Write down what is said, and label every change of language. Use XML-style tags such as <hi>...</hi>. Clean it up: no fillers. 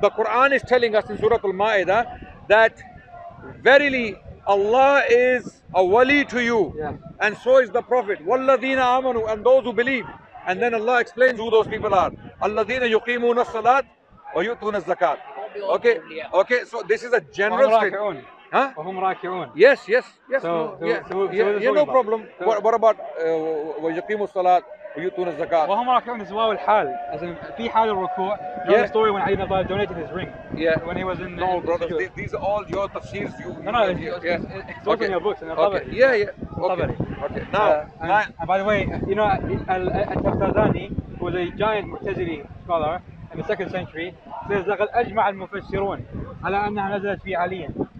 <en>The Quran is telling us in Surah Al-Ma'idah that verily Allah is a wali to you. Yeah. And so is the Prophet. Walladhina amanu, and those who believe. And then Allah explains who those people are. Alladhina yuqimuna salat wa yu'tuna zakat. Okay, so this is a general statement. Yes. No problem. What about</en> <ar>وَيُقِيمُ الصَّلَاةِ وَيُؤْتُونَ الزَّكَاةِ وَهُمْ رَاكِعُونَ</ar> <en>is wawil hal. As in, fi hal al-ruku'. The story when Ali ibn Abi Talib donated his ring. Yeah. When he was in the... No, brothers, these are all your tafsirs. It's in your books and Al-Tabari. Okay. Now, by the way, you know, Al-Tafsazani, who was a giant Mu'tazili scholar in the 2nd century, says,</en> <ar>لَقَدْ أَجْمَعَ الْمُفَسِّرُونَ عَلَىٰ أَنَّهَا نَزَلَتْ فِي عَلِيًا.</ar>